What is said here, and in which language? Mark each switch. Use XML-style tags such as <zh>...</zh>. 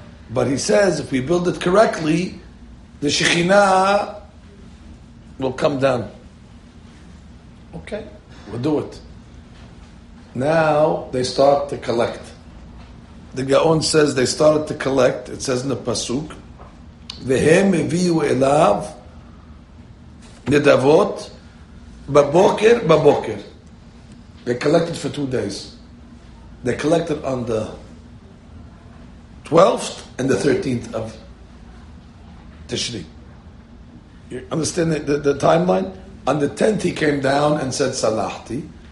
<en>But he says, if we build it correctly, the Shekhinah will come down. Okay. We'll do it. Now they start to collect. The Gaon says they started to collect. It says in the Pasuk,</en> <he>והם הביאו אליו נדבות בבוקר, בבוקר.</he> <en>They collected for 2 days. They collected on the 12th and the 13th of Tishri. You understand the timeline? On the 10th he came down and said, Salahti.</en>